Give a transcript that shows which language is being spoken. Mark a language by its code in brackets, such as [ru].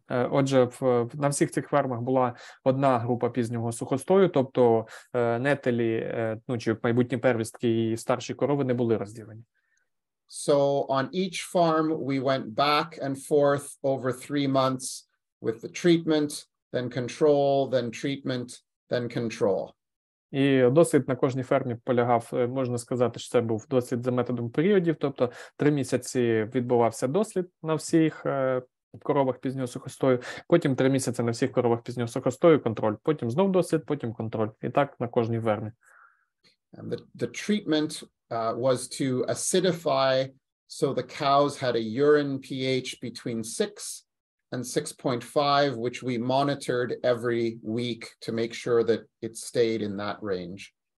[uk] Отже, на всіх цих фермах була одна група пізнього сухостою, тобто нетелі, ну чи майбутні первістки і старші корови не були розділені. [en] So on each farm we went back and forth over 3 months with the treatment, then control, then treatment, then control. [uk] І досвід на кожній фермі полягав, можна сказати, що це був досвід за методом періодів, тобто 3 місяці відбувався дослід на всіх коровах пізнього сухостою, потім 3 місяці на всіх коровах пізнього сухостою, контроль, потім знов досвід, потім контроль. І так на кожній фермі. [en] The treatment was to acidify so the cows had a urine pH between 6 and 6.5, which we monitored every week to make sure that it stayed in that range.